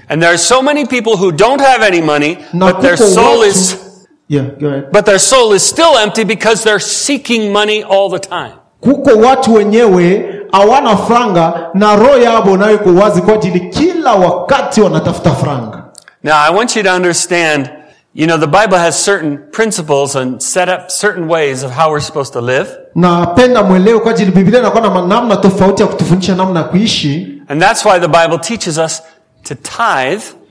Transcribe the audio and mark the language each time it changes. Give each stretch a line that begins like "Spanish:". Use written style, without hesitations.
English: And there are so many people who don't have any money but their soul is But their soul is still empty because they're seeking money all the time.
Swahili: Kuko watu wenyewe hawana franga na roho yao nayo iko wazi kwa ajili kila wakati wanatafuta franga.
English: Now I want you to understand, you know, the Bible has certain principles and set up certain ways of how we're supposed to live.
Swahili: Napenda mwelewe kwa ajili Biblia inakuwa na namna tofauti ya kutufundisha namna ya kuishi.
English: And that's why the Bible teaches us to tithe.